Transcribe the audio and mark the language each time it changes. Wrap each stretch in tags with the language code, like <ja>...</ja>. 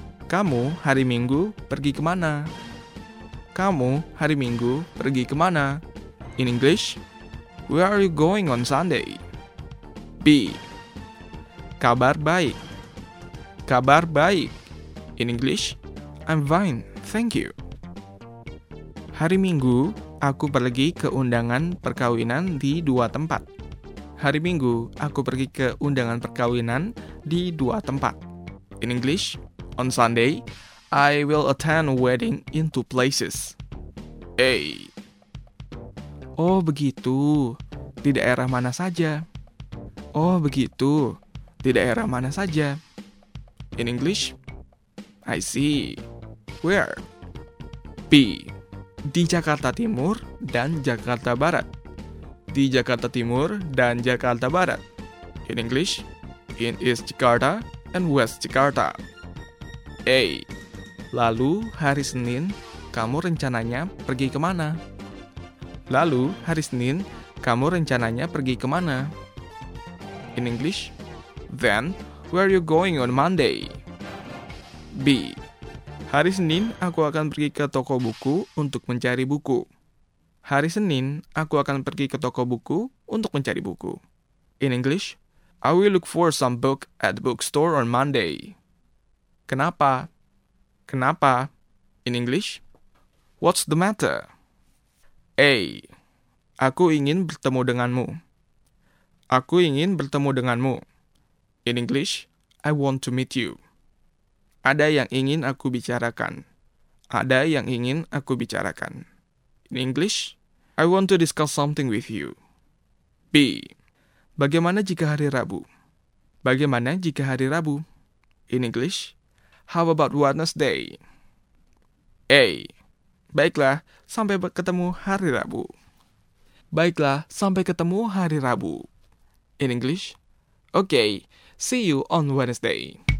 <id>Kamu hari Minggu pergi kemana? Kamu hari Minggu pergi kemana?</id> <en>In English, where are you going on Sunday? B.</en> <id>Kabar baik. Kabar baik.</id> <en>In English, I'm fine, thank you.</en> <id>Hari Minggu, aku pergi ke undangan perkawinan di dua tempat. Hari Minggu, aku pergi ke undangan perkawinan di dua tempat.</id> <en>In English, on Sunday, I will attend wedding in two places. A.</en> <id>Oh begitu, di daerah mana saja? Oh begitu, di daerah mana saja?</id> <en>In English, I see. Where? B.</en> <id>Di Jakarta Timur dan Jakarta Barat. Di Jakarta Timur dan Jakarta Barat.</id> <en>In English, in East Jakarta and West Jakarta. A.</en> <id>Lalu hari Senin, kamu rencananya pergi kemana? Lalu hari Senin, kamu rencananya pergi kemana?</id> <en>In English, then where are you going on Monday? B.</en> <id>Hari Senin, aku akan pergi ke toko buku untuk mencari buku. Hari Senin, aku akan pergi ke toko buku untuk mencari buku.</id> <en>In English, I will look for some book at the bookstore on Monday.</en> <id>Kenapa? Kenapa?</id> <en>In English, what's the matter? A.</en> <id>Aku ingin bertemu denganmu. Aku ingin bertemu denganmu.</id> <en>In English, I want to meet you.</en> <id>Ada yang ingin aku bicarakan. Ada yang ingin aku bicarakan.</id> <en>In English, I want to discuss something with you. B.</en> <id>Bagaimana jika hari Rabu? Bagaimana jika hari Rabu?</id> <en>In English, how about Wednesday? A.</en> <id>Baiklah, sampai ketemu hari Rabu. Baiklah, sampai ketemu hari Rabu.</id> <en>In English, okay, see you on Wednesday.</en>